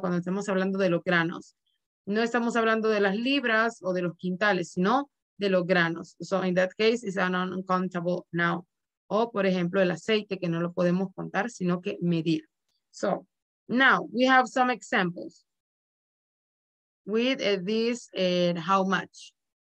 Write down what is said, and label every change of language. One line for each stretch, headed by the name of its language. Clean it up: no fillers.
Spanish: Cuando estamos hablando de los granos, no estamos hablando de las libras o de los quintales, sino de los granos.
English: So in that case it's an uncountable noun.
Spanish: O por ejemplo el aceite, que no lo podemos contar, sino que medir.
English: So now we have some examples with this and how much.